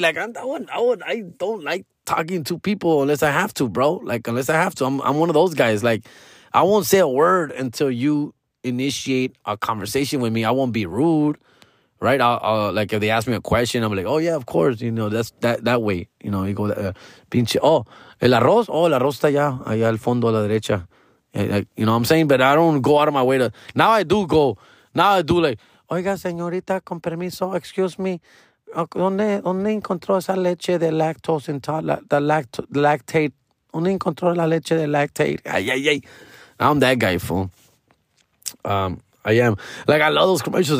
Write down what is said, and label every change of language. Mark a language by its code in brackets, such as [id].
[en] Like, I don't like talking to people unless I have to, bro. Like, unless I have to. I'm one of those guys. Like, I won't say a word until you initiate a conversation with me. I won't be rude, right? I'll like, if they ask me a question, I'm like, oh, yeah, of course. You know, that's that way. You know, you go, pinche, [es] oh, el arroz? Oh, el arroz está allá al fondo a la derecha. [en] You know what I'm saying? But I don't go out of my way to. Now I do go. Now I do, like, [es] oiga, señorita, con permiso, [en] excuse me. [es] ¿Dónde encontró esa leche de lactose lactate? ¿Dónde encontró la leche de lactate? Ay, ay, ay. [en] I'm that guy, fool. I am. Like, I love those commercials.